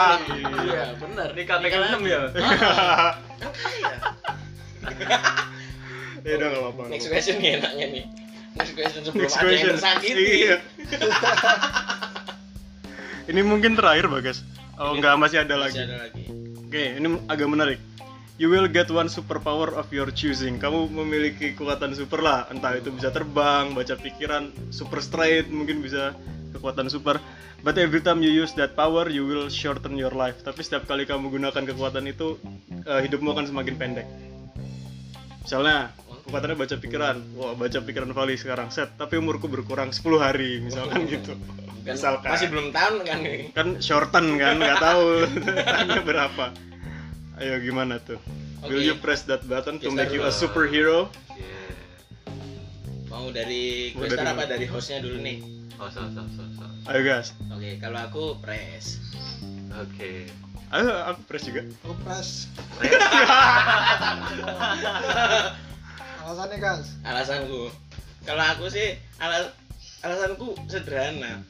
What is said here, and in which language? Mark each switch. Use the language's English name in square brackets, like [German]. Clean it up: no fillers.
[Indonesian] Iya, benar. Nikah pegang ya. Kaya. Ya udah nggak apa-apa. [English] Next question [Indonesian] nih enaknya nih. Next question sebelum ada yang tersakiti. Ini mungkin terakhir, Bagas. Oh nggak, masih ada lagi. Oke, ini agak menarik. [English] You will get one superpower of your choosing. [Indonesian] Kamu memiliki kekuatan super lah. Entah itu bisa terbang, baca pikiran, super straight, mungkin bisa kekuatan super. [English] But every time you use that power, you will shorten your life. [Indonesian] Tapi setiap kali kamu gunakan kekuatan itu, hidupmu akan semakin pendek. Misalnya, kekuatannya baca pikiran. Wah, baca pikiran Vali sekarang, set. Tapi umurku berkurang 10 hari, misalkan gitu. Kan, misalkan. Masih belum tahun kan? Kan shorten kan, gak tahu. Tanya berapa. Ayo gimana tuh? Okay. [English] Will you press that button to make you a superhero? Yeah. [Indonesian] Mau dari Gestar apa mana? Dari hostnya dulu nih? Host. Ayo guys. Oke, kalau aku press. Oke. Ayo aku press juga. Aku press. Alasannya guys? Alasanku. Kalau aku sih alasanku sederhana.